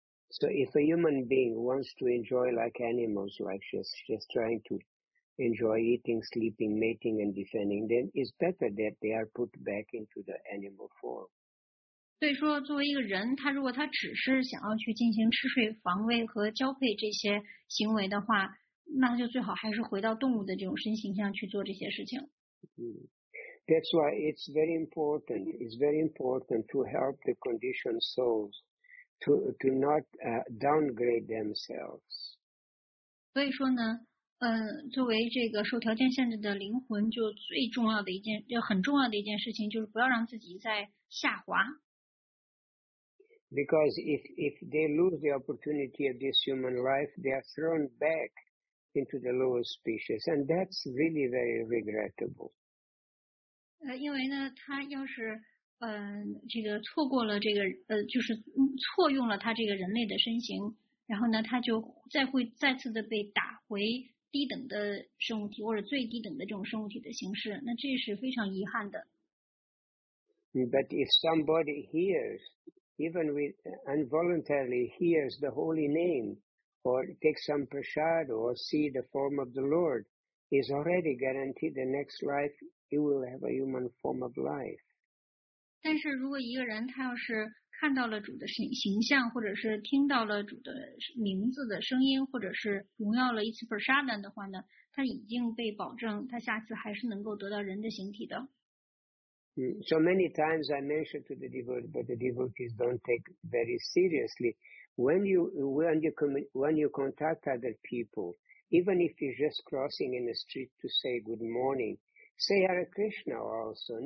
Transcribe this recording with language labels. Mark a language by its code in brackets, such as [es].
[en] So if a human being wants to enjoy like animals, like just trying to enjoy eating, sleeping, mating, and defending, then it's better that they are put back into the animal form. [zh] 所以说，作为一个人，他如果他只是想要去进行吃睡、防卫和交配这些行为的话，那就最好还是回到动物的这种身形象去做这些事情。 [en] That's why it's very important. It's very important to help the conditioned souls to not downgrade themselves. [zh] 所以说呢，作为这个受条件限制的灵魂，就最重要的一件，就很重要的一件事情，就是不要让自己再下滑。 [en] Because if they lose the opportunity of this human life, they are thrown back. Into the lower species, and that's really very regrettable. [zh] 因为呢，他要是这个错过了这个就是错用了他这个人类的身形，然后呢，他就再会再次的被打回低等的生物体或者最低等的这种生物体的形式，那这是非常遗憾的。 [en] But if somebody hears, even with involuntarily hears the holy name. Or take some prasad or see the form of the Lord is already guaranteed the next life he will have a human form of life. [zh] 但是如果一个人他要是看到了主的形象或者是听到了主的名字的声音或者是荣耀了一次 prasad 的话呢他已经被保证他下次还是能够得到人的形体的。 [en] So many times I mentioned to the devotees, but the devotees don't take very seriously. When you contact other people, even if you're just crossing in the street to say good morning, say Hare Krishna also.